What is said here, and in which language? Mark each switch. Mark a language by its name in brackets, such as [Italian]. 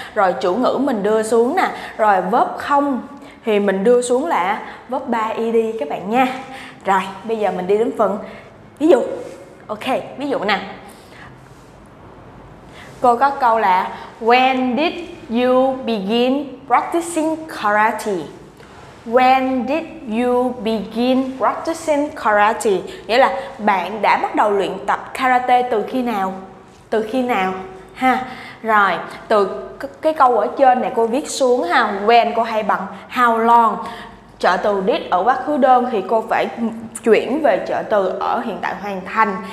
[Vietnamese] Rồi chủ ngữ mình đưa xuống nè, rồi verb không thì mình đưa xuống là verb 3 ed các bạn nha. Rồi bây giờ mình đi đến phần ví dụ. Ok, ví dụ nè, cô có câu là [English] when did you begin practicing karate? When did you begin practicing karate? [Vietnamese] Nghĩa là bạn đã bắt đầu luyện tập karate từ khi nào? Từ khi nào? Ha. Rồi, từ cái câu ở trên này cô viết xuống ha. When cô hay bằng how long. Trợ từ did ở quá khứ đơn thì cô phải chuyển về trợ từ ở hiện tại hoàn thành.